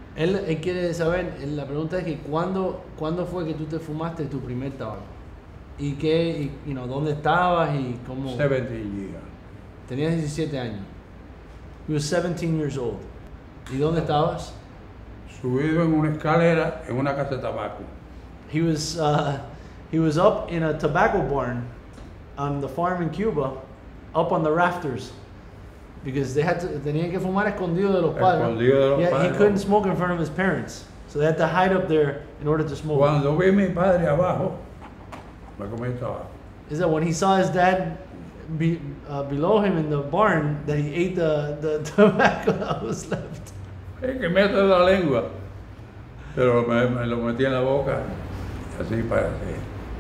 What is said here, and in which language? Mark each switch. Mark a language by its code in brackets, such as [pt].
[es] Él quiere saber, la pregunta es que ¿cuándo fue que tú te fumaste tu primer tabaco? ¿Y qué, y no, dónde estabas y cómo? [en] 17 years. [es] Tenías 17 años. [en] You were 17 years old. [es] ¿Y dónde estabas? Subido en una escalera en una casa de tabaco. [en] He was up in a tobacco barn on the farm in Cuba, up on the rafters. Because they had to, [es] tenían que fumar escondido de los padres. Escondido de los [en] Yeah, he [es] padres. [en] couldn't smoke in front of his parents. So they had to hide up there in order to smoke. [es] Cuando vi a mi padre abajo, me comí el tabaco. [en] Is that when he saw his dad below him in the barn that he ate the tobacco that was left? [es] Es que meto la lengua, pero me lo metí en la boca, así para hacer.